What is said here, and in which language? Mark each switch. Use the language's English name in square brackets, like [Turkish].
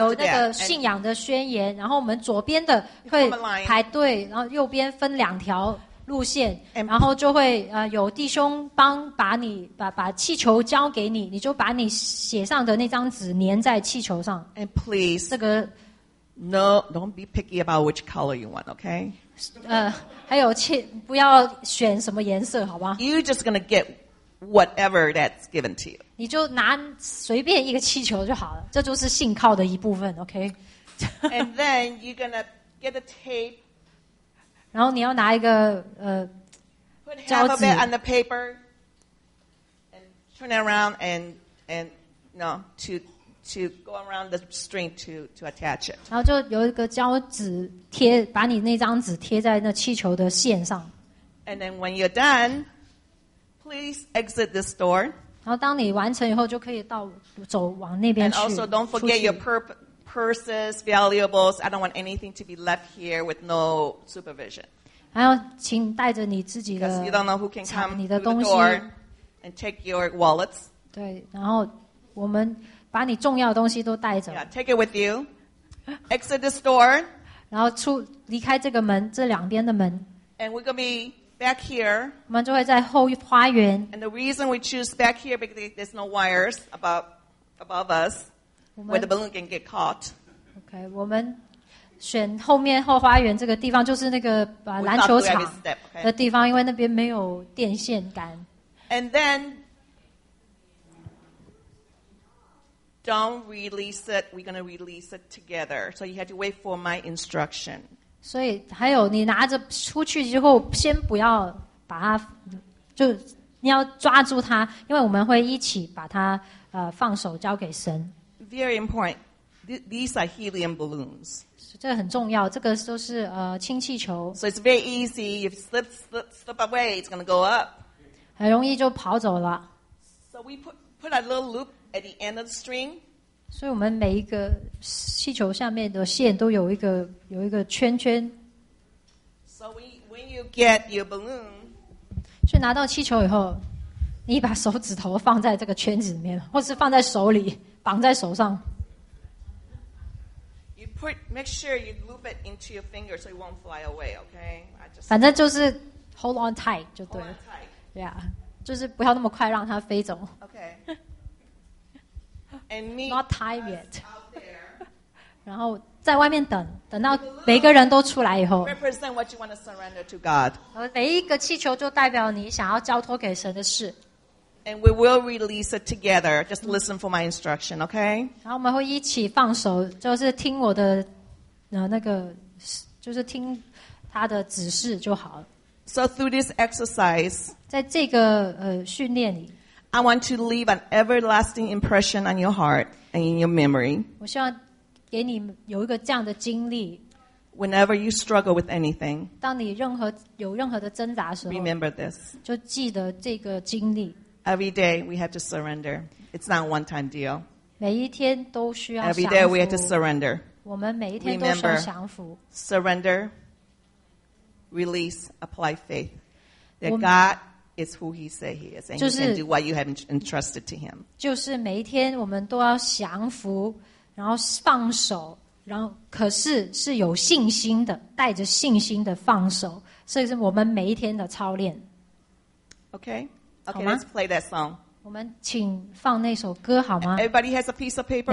[Chinese] 有那个信仰的宣言然后我们左边的会排队然后右边分两条路线然后就会有弟兄帮把你 把气球交给你你就把你写上的那张纸粘在气球上 [English] and please [Chinese] 这个 [English] no don't be picky about which color you want okay [Chinese] 还有不要选什么颜色好吧 [English] you're just gonna get whatever that's given to you [Chinese] 你就拿随便一个气球就好了，这就是信靠的一部分 ，OK？ [English] And then you're gonna get a tape. [Chinese] 然后你要拿一个胶纸。 [English] Put half of it on the paper and turn it around and no to go around the string to attach it. [Chinese] 然后就有一个胶纸贴，把你那张纸贴在那气球的线上。 [English] And then when you're done, please exit this door. [Chinese] 然后当你完成以后，就可以到走往那边去。 [English] And also, don't forget your purses, valuables. I don't want anything to be left here with no supervision. [Chinese] 还要请带着你自己的，你 [English] don't know who can come [Chinese] 你的东西 [English] through the door and take your wallets. [Chinese] 对，然后我们把你重要的东西都带着。 [English] Yeah, take it with you. Exit the store. [Chinese] 然后出离开这个门，这两边的门。 [English] And we're gonna be. Back here, [Chinese] 我们就会在后花园。 [English] And the reason we choose back here because there's no wires above us, where the balloon can get caught. [Chinese] Okay, 我们选后面后花园这个地方，就是那个篮球场的地方，因为那边没有电线杆。 [English] And then, don't release it. We're gonna release it together. So you have to wait for my instruction. [Chinese] 所以还有你拿着出去之后先不要把它就你要抓住它因为我们会一起把它放手交给神 [English] Very important These are helium balloons [Chinese] 这很重要这个都是氢气球 [English] So it's very easy If it slip away it's going to go up [Chinese] 很容易就跑走了 [English] So we put a little loop at the end of the string [Chinese] 所以我们每一个气球下面的线都有一个圈圈。 [English] So when you get your balloon, [Chinese] 所以拿到气球以后，你把手指头放在这个圈子里面，或是放在手里，绑在手上。 [English] You put, make sure you loop it into your finger so it won't fly away, okay? [Chinese] 反正就是 [English] hold on tight [Chinese] 就对了。 [English] Hold on tight. Yeah. [Chinese] 就是不要那么快让它飞走。 [English] Okay. And meet not time yet. [Chinese] 然后在外面等，等到每个人都出来以后。 [English] Represent what you want to surrender to God. [Chinese] 每一个气球就代表你想要交托给神的事。 [English] And we will release it together. Just listen for my instruction, okay? [Chinese] 然后我们会一起放手，就是听我的，那个，就是听他的指示就好了。 [English] So through this exercise, [Chinese] 在这个训练里 [English] ，I want to leave an everlasting impression on your heart and in your memory. [Chinese] 我希望给你有一个这样的经历。 [English] Whenever you struggle with anything, [Chinese] 当你任何有任何的挣扎的时候 [English] ，remember this. [Chinese] 就记得这个经历。 [English] Every day we have to surrender. It's not a one-time deal. [Chinese] 每一天都需要。 [English] Every day we have to surrender. [Chinese] 我们每一天都需要降服。 [English] Surrender. Release, apply faith. That God is who He says He is, and you can do what you have entrusted to Him. [Chinese] 就是每一天我们都要降服，然后放手，然后可是是有信心的，带着信心的放手，这是我们每一天的操练。 [English] Okay, okay, let's play that song. [Chinese] 我们请放那首歌好吗 [English] ？Everybody has a piece of paper.